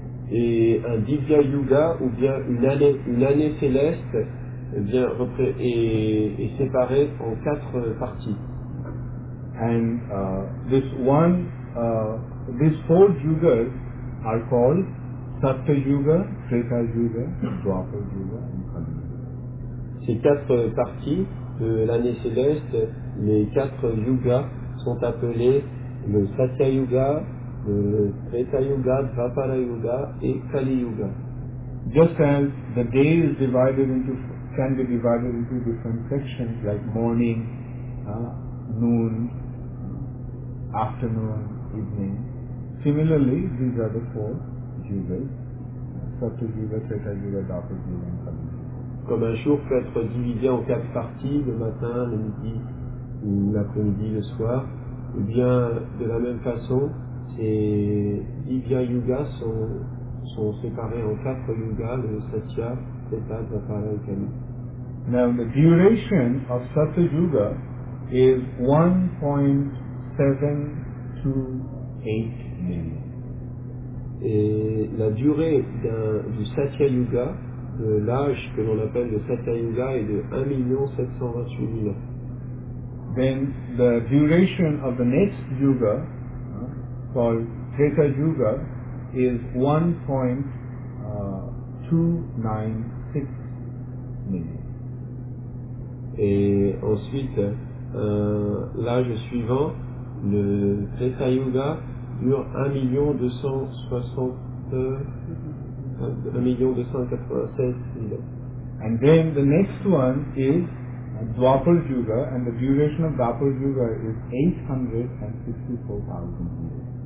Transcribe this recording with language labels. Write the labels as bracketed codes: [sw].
[fr] et un Divya Yuga ou bien une année céleste bien est séparée en quatre parties. [en] And these four yugas are called Satya Yuga, Treta Yuga, Dwapara Yuga and Kali Yuga. [fr] Ces quatre parties de l'année céleste, les quatre yugas sont appelés le Satya Yuga, le Treta Yuga, Dvapara Yuga et Kali Yuga. [en] Just as the day is divided into, can be divided into different sections like morning, noon, afternoon, evening. Similarly, these are the four yugas, Satya Yuga, Treta Yuga, Dvapara Yuga and Kali Yuga. [fr] Comme un jour peut être divisé en quatre parties, le matin, le midi, ou l'après-midi, le soir, ou bien de la même façon, ces Divya Yugas sont séparés en quatre yugas, le Satya, Teta, Dvapara et Kali. [en] Now the duration of Satya Yuga is 1.728 minutes. [fr] Et la durée du Satya Yuga, de l'âge que l'on appelle le Satya Yuga, est de 1.728.000 ans. [en] Then the duration of the next yuga, called Treta Yuga, is 1.296 million. [fr] Et ensuite, l'âge suivant, le Treta Yuga, dure 1.287.000. [en] And then the next one is Dwapara Yuga, and the duration of Dwapara Yuga is 864,000 years.